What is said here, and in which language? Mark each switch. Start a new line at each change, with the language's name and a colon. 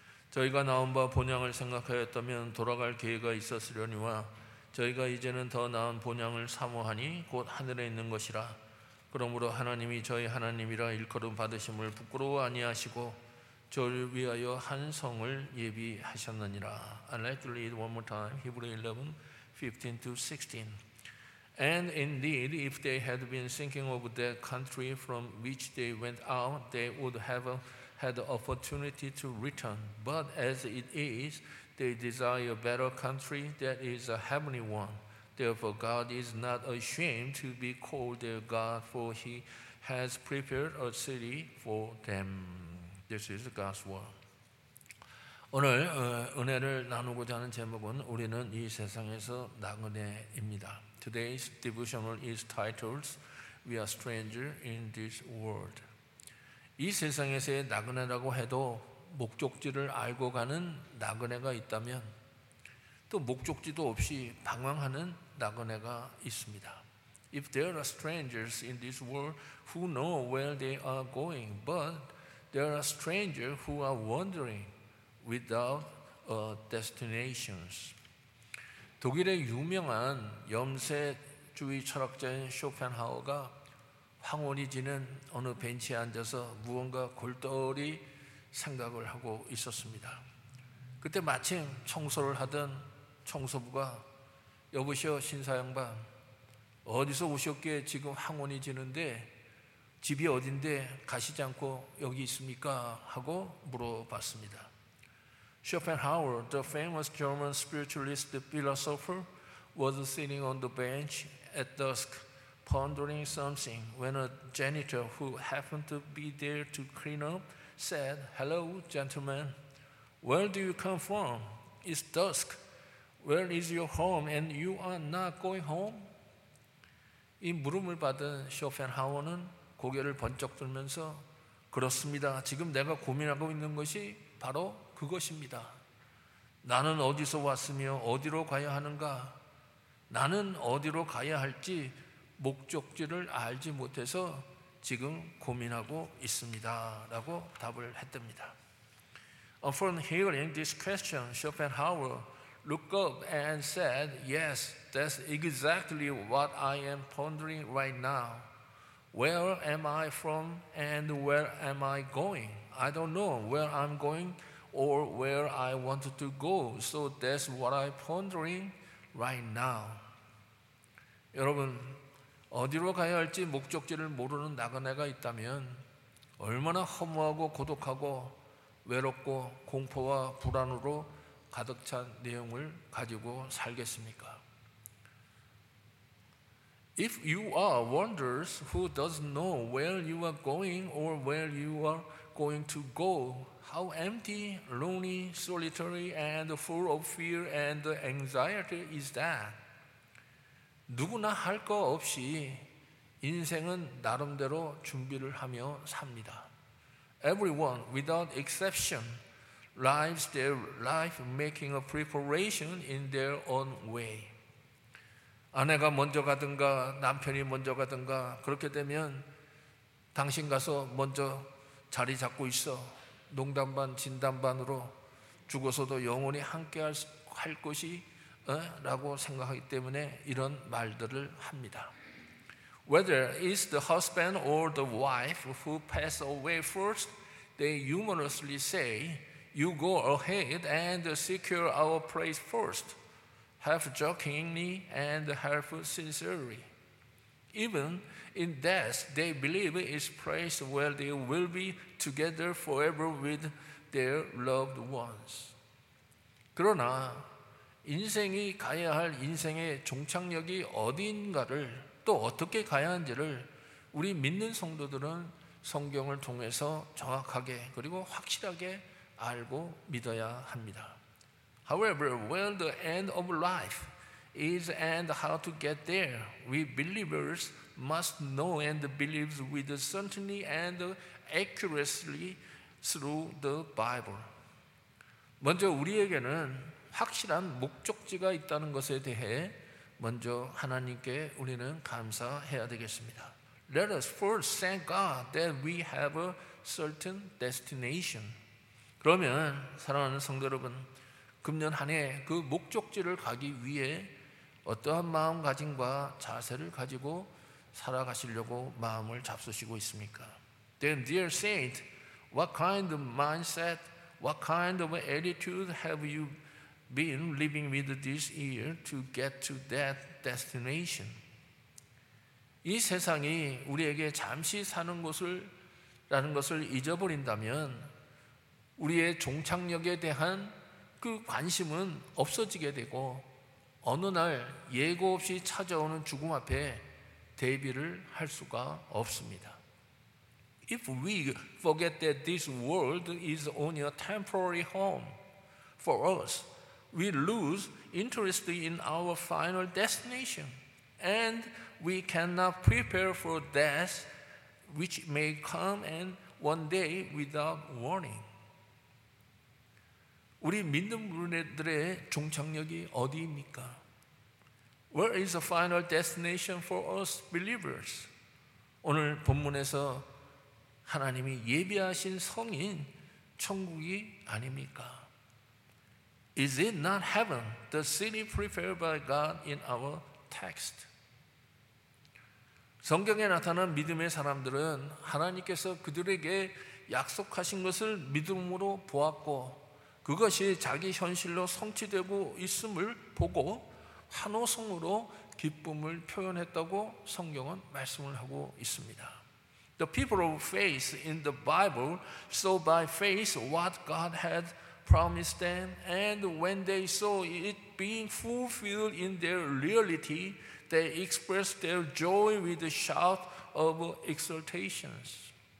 Korean: 저희가 나온 바 본향을 생각하였다면 돌아갈 기회가 있었으려니와 저희가 이제는 더 나은 본향을 사모하니 곧 하늘에 있는 것이라. 그러므로 하나님이 저희 하나님이라 일컬음 받으심을 부끄러워 아니하시고 저를 위하여 한 성을 예비하셨느니라.
English: I'd like to read one more time, Hebrews 11, 15 to 16. And indeed, if they had been thinking of that country from which they went out, they would have had the opportunity to return. But as it is, they desire a better country, that is a heavenly one. Therefore, God is not ashamed to be called their God, for he has prepared a city for them. This is God's word.
Korean: 오늘 은혜를 나누고자 하는 제목은 우리는 이 세상에서 나그네입니다.
English: Today's devotional is titled We are Strangers in this World.
Korean: 이 세상에서의 나그네라고 해도 목적지를 알고 가는 나그네가 있다면 또 목적지도 없이 방황하는 나그네가 있습니다.
English: If there are strangers in this world who know where they are going, but there are strangers who are wandering without destinations.
Korean: 독일의 유명한 염세주의 철학자인 쇼펜하우어가 황혼이 지는 어느 벤치에 앉아서 무언가 골똘히 생각을 하고 있었습니다. 그때 마침 청소를 하던 청소부가 여보시오 신사양반 어디서 오셨기에 지금 황혼이 지는데 집이 어딘데 가시지 않고 여기 있습니까? 하고 물어봤습니다.
English: Schopenhauer, the famous German spiritualist philosopher, was sitting on the bench at dusk, pondering something, when a janitor who happened to be there to clean up said, Hello, gentlemen, where do you come from? It's dusk. Where is your home? And you are not going home?
Korean: 이 물음을 받은 쇼펜하우어는 고개를 번쩍 들면서 그렇습니다. 지금 내가 고민하고 있는 것이 바로 그것입니다. 나는 어디서 왔으며 어디로 가야 하는가? 나는 어디로 가야 할지 목적지를 알지 못해서 지금 고민하고 있습니다. 라고 답을 했답니다.
English: Upon hearing this question, Schopenhauer looked up and said, Yes, that's exactly what I am pondering right now. Where am I from and where am I going? I don't know where I'm going or where I want to go. So that's what I'm pondering right now.
Korean: 여러분, 어디로 가야 할지 목적지를 모르는 나그네가 있다면 얼마나 허무하고 고독하고 외롭고 공포와 불안으로 가득 찬 내용을 가지고 살겠습니까?
English: If you are wanderers who doesn't know where you are going or where you are going to go, how empty, lonely, solitary, and full of fear and anxiety is that?
Korean: 누구나 할 거 없이 인생은 나름대로 준비를 하며 삽니다.
English: Everyone, without exception, lives their life making a preparation in their own way.
Korean: 아내가 먼저 가든가 남편이 먼저 가든가 그렇게 되면 당신 가서 먼저 자리 잡고 있어. 농담 반 진담 반으로 죽어서도 영원히 함께 할 것이 라고 생각하기 때문에 이런 말들을 합니다.
English: Whether it's the husband or the wife who pass away first, they humorously say, You go ahead and secure our place first. Half jokingly and half sincerely. Even in death, they believe it's place where they will be together forever with their loved ones.
Korean: 그러나 인생이 가야 할 인생의 종착역이 어디인가를 또 어떻게 가야 하는지를 우리 믿는 성도들은 성경을 통해서 정확하게 그리고 확실하게 알고 믿어야 합니다.
English: However, where the end of life is and how to get there, we believers must know and believe with certainty and accuracy through the Bible.
Korean: 먼저 우리에게는 확실한 목적지가 있다는 것에 대해 먼저 하나님께 우리는 감사해야 되겠습니다.
English: Let us first thank God that we have a certain destination.
Korean: 그러면 사랑하는 성도 여러분, 금년 한 해 그 목적지를 가기 위해 어떠한 마음가짐과 자세를 가지고 살아가시려고 마음을 잡수시고 있습니까?
English: Then dear saint, what kind of mindset, what kind of attitude have you been living with this year to get to that destination?
Korean: 이 세상이 우리에게 잠시 사는 것을 라는 것을 잊어버린다면 우리의 종착역에 대한 그 관심은 없어지게 되고 어느 날 예고 없이 찾아오는 죽음 앞에 대비를 할 수가 없습니다.
English: If we forget that this world is only a temporary home for us, we lose interest in our final destination, and we cannot prepare for death, which may come and one day without warning.
Korean: 우리 믿는 분들의 종착역이 어디입니까?
English: Where is the final destination for us believers?
Korean: 오늘 본문에서 하나님이 예비하신 성인 천국이 아닙니까?
English: Is it not heaven, the city prepared by God in our text?
Korean: 성경에 나타난 믿음의 사람들은 하나님께서 그들에게 약속하신 것을 믿음으로 보았고 그것이 자기 현실로 성취되고 있음을 보고 환호성으로 기쁨을 표현했다고 성경은 말씀을 하고 있습니다.
English: The people of faith in the Bible saw by faith what God had promised them, and when they saw it being fulfilled in their reality, they expressed their joy with a shout of exultations.